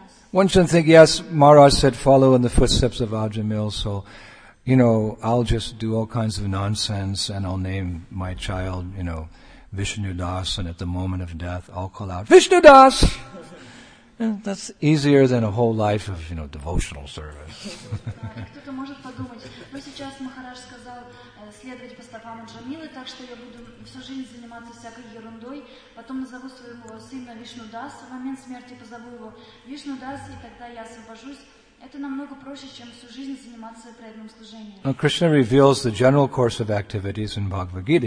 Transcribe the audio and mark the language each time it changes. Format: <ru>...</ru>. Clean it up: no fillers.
<en>One shouldn't think, yes, Maharaj said, follow in the footsteps of Ajamil, so, you know, I'll just do all kinds of nonsense and I'll name my child, you know, Vishnu Das, and at the moment of death, I'll call out, Vishnu Das! That's easier than a whole life of, you know, devotional service.</en> <ru>Кто-то может подумать, ну сейчас Махарадж сказал следовать по стопам Джамилы, так что я буду всю жизнь заниматься всякой ерундой, потом назову своего сына Вишнудас, в момент смерти позову его Вишнудас, и тогда я освобожусь. Это намного проще, чем всю жизнь заниматься преданным служением.</ru> <en>Krishna reveals the general course of activities in Bhagavad Gita.</en>